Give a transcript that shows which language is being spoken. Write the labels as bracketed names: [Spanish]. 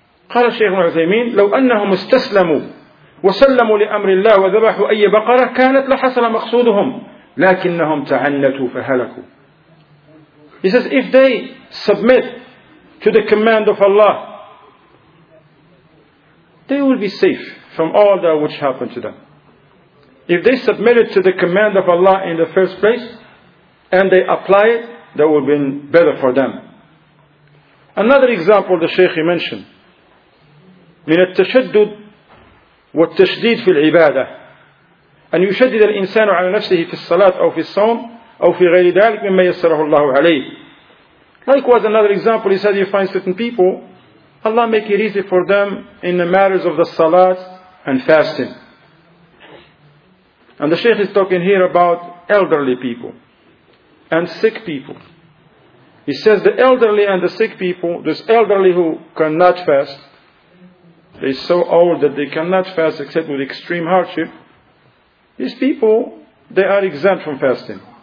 [Arabic] قال الشيخ العثيمين لو أنهم استسلموا وسلموا لأمر الله وذبحوا أي بقرة كانت لحصل مقصودهم لكنهم تعنتوا فهلكوا. [English] He says if they submit to the command of Allah, they will be safe from all that which happened to them. If they submitted to the command of Allah in the first place and they apply it, that would have been better for them. Another example the Shaykh mentioned. [Arabic] من التشدد والتشديد في العبادة. أن يشدد الإنسان على نفسه في الصلاة أو في الصوم أو في غير ذلك مما يسره الله عليه. [English] Likewise, another example, he said, you find certain people, Allah make it easy for them in the matters of the salat and fasting. And the Shaykh is talking here about elderly people and sick people. He says the elderly and the sick people, this elderly who cannot fast, they are so old that they cannot fast except with extreme hardship, these people, they are exempt from fasting.